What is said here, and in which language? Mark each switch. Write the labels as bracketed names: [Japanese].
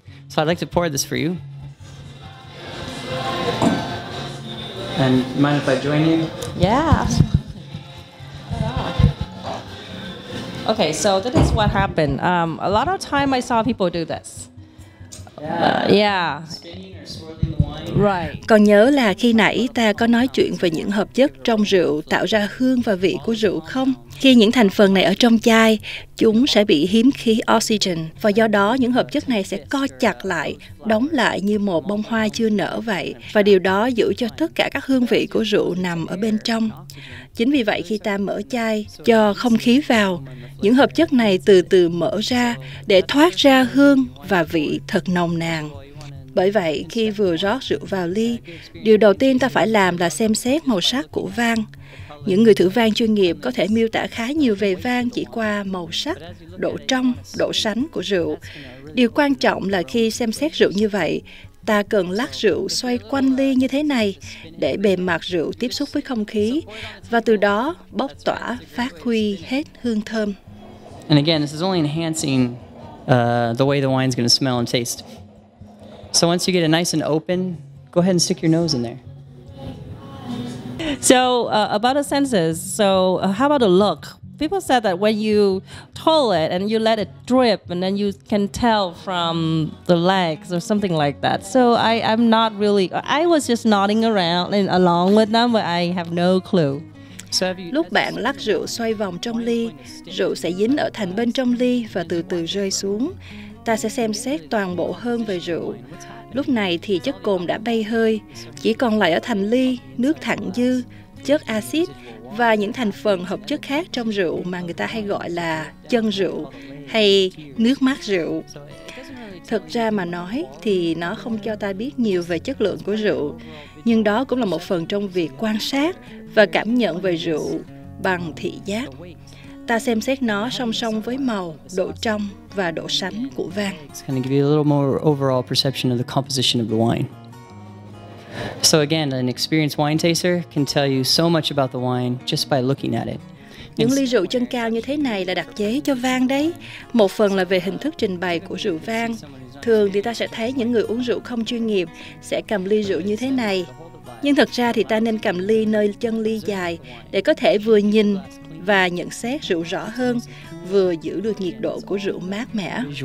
[English] So I'd like to pour this for you. And mind if I join you? Yeah. Okay, so that is what happened. A lot of time I saw people do this. Yeah. Right. [Vietnamese] Còn nhớ là khi nãy ta có nói chuyện về những hợp chất trong rượu tạo ra hương và vị của rượu không? Khi những thành phần này ở trong chai, chúng sẽ bị hiếm khí oxygen và do đó những hợp chất này sẽ co chặt lại, đóng lại như một bông hoa chưa nở vậy. Và điều đó giữ cho tất cả các hương vị của rượu nằm ở bên trong. Chính vì vậy khi ta mở chai, cho không khí vào, những hợp chất này từ từ mở ra để thoát ra hương và vị thật nồng nàn. Bởi vậy, khi vừa rót rượu vào ly, điều đầu tiên ta phải làm là xem xét màu sắc của vang. Những người thử vang chuyên nghiệp có thể miêu tả khá nhiều về vang chỉ qua màu sắc, độ trong, độ sánh của rượu. Điều quan trọng là khi xem xét rượu như vậy, ta cần lắc rượu xoay quanh ly như thế này để bề mặt rượu tiếp xúc với không khí và từ đó bốc tỏa, phát huy hết hương thơm. [English] And again, this is only enhancing the way the wine's going to smell and taste. So once you get it nice and open, go ahead and stick your nose in there. So about the senses, so how about the look? People said that when you toll it and you let it drip and then you can tell from the legs or something like that. So I'm not really, I was just nodding around and along with them, but I have no clue. [Vietnamese] Lúc bạn lắc rượu xoay vòng trong ly, rượu sẽ dính ở thành bên trong ly và từ từ rơi xuống. Ta sẽ xem xét toàn bộ hơn về rượu. Lúc này thì chất cồn đã bay hơi, chỉ còn lại ở thành ly, nước thặng dư, chất axit và những thành phần hợp chất khác trong rượu mà người ta hay gọi là chân rượu hay nước mát rượu. Thực ra mà nói thì nó không cho ta biết nhiều về chất lượng của rượu, nhưng đó cũng là một phần trong việc quan sát và cảm nhận về rượu bằng thị giác. Ta xem xét nó song song với màu, độ trong và độ sánh của vang. [English] It's going to give you a little more overall perception of the composition of the wine. So again, an experienced wine taster can tell you so much about the wine just by looking at it. [Vietnamese] Những ly rượu chân cao như thế này là đặc chế cho vang đấy. Một phần là về hình thức trình bày của rượu vang. Thường thì ta sẽ thấy những người uống rượu không chuyên nghiệp sẽ cầm ly rượu như thế này. Nhưng thật ra thì ta nên cầm ly nơi chân ly dài để có thể vừa nhìn và nhận xét rượu rõ hơn, vừa giữ được nhiệt độ của rượu mát mẻ.